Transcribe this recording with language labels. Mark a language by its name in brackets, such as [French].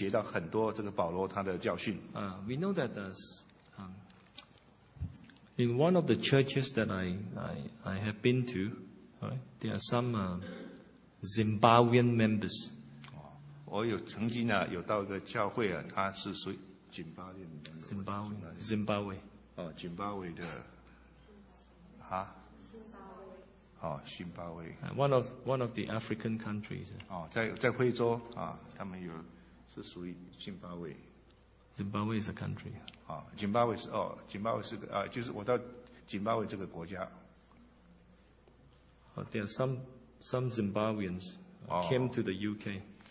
[Chinese] 同样这个原则，我们可以学到很多这个保罗他的教训。 [English] We know that in one of the churches that I have been to, right, there are some Zimbabwean members. [Chinese] 我有曾经有到一个教会啊, 他是属于 [English] Zimbabwe. Zimbabwe. Zimbabwe. One of the African countries. [Chinese] 在非洲, Zimbabwe. [English] Zimbabwe is a country. There are some Zimbabweans came to the UK.